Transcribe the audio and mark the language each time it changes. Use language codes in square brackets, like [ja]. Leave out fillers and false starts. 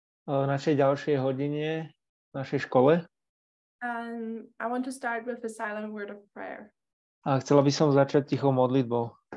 [sk] V našej ďalšej hodine v našej škole. [en] I want to start with a silent word of prayer. [sk] A chcela by som začať tichou modlitbou.